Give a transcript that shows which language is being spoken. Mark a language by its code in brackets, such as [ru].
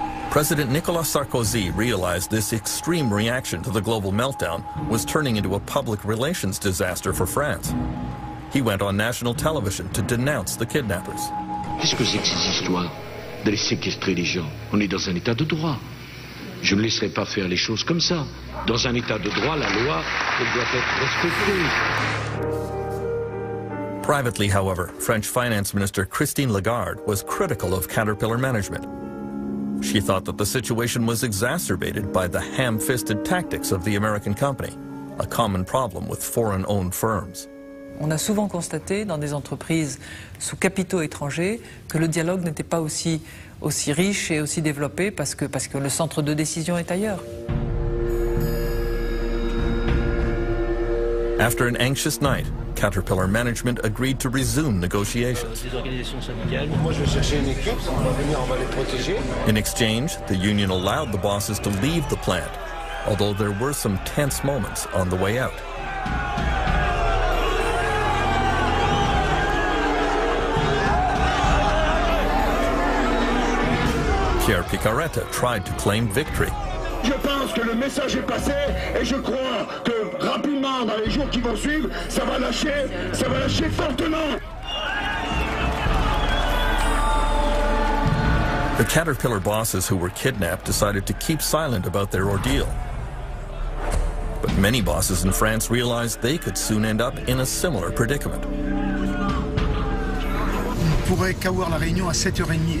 [en] President Nicolas Sarkozy realized this extreme reaction to the global meltdown was turning into a public relations disaster for France. He went on national television to denounce the kidnappers. [fr] Qu'est-ce que c'est que ces histoires d'aller séquestrer les gens? On est dans un état de droit. Je ne laisserai pas faire les choses comme ça. Dans un état de droit, la loi, elle doit être respectée. [en] Privately, however, French Finance Minister Christine Lagarde was critical of Caterpillar management. She thought that the situation was exacerbated by the ham-fisted tactics of the American company, a common problem with foreign-owned firms. [fr] On a souvent constaté dans des entreprises sous capitaux étrangers que le dialogue n'était pas aussi riche et aussi développé parce que le centre de décision est ailleurs. [en] After an anxious night, Caterpillar management agreed to resume negotiations. In exchange, the union allowed the bosses to leave the plant, although there were some tense moments on the way out. Pierre Picaretta tried to claim victory. [fr] Je pense que le message est passé et je crois que rapidement, dans les jours qui vont suivre, ça va lâcher fortement. [en] The Caterpillar bosses who were kidnapped decided to keep silent about their ordeal. But many bosses in France realized they could soon end up in a similar predicament. [fr] On pourrait avoir la réunion à 7h30.